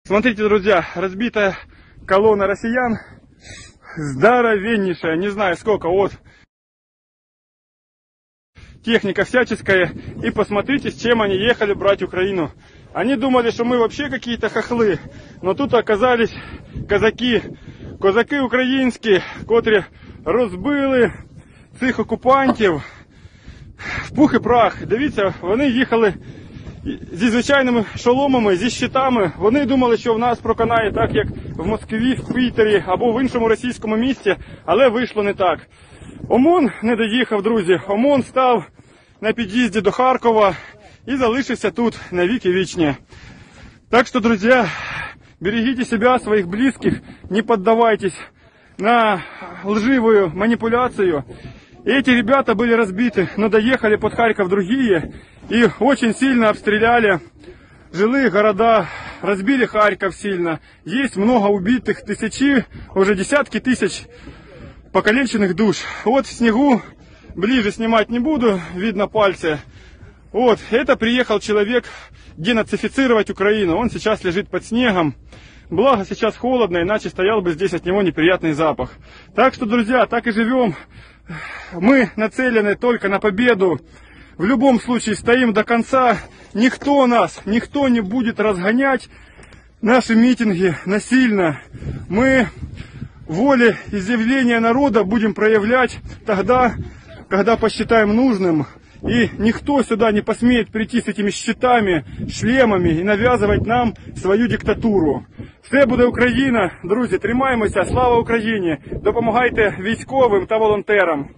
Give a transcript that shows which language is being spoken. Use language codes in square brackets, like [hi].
[ru] Смотрите, друзья, разбитая колонна россиян, здоровеннейшая, не знаю сколько, вот, техника всяческая, и посмотрите, с чем они ехали брать Украину. Они думали, что мы вообще какие-то хохлы, но тут оказались казаки, козаки украинские, [uk] котрі розбили цих окупантів в пух і прах. Дивіться, вони їхали зі звичайними шоломами, зі щитами. Вони думали, що в нас проконає так, як в Москві, в Пітері або в іншому російському місті, але вийшло не так. ОМОН не доїхав, друзі. ОМОН став на під'їзді до Харкова і залишився тут на віки вічні. Так що, друзі, берегіть себе, своїх близьких, не піддавайтесь на лживу маніпуляцію. [ru] Эти ребята были разбиты, но доехали под Харьков другие и очень сильно обстреляли жилые города, разбили Харьков сильно. Есть много убитых, тысячи, уже десятки тысяч покалеченных душ. Вот в снегу, ближе снимать не буду, видно пальцы. Вот, это приехал человек денацифицировать Украину, он сейчас лежит под снегом. Благо сейчас холодно, иначе стоял бы здесь от него неприятный запах. Так что, друзья, так и живем. Мы нацелены только на победу. В любом случае стоим до конца. Никто нас, никто не будет разгонять наши митинги насильно. Мы воле изъявления народа будем проявлять тогда, когда посчитаем нужным. И никто сюда не посмеет прийти с этими щитами, шлемами и навязывать нам свою диктатуру. [uk] Все буде Україна, друзі, тримаємося, слава Україні, допомагайте військовим та волонтерам.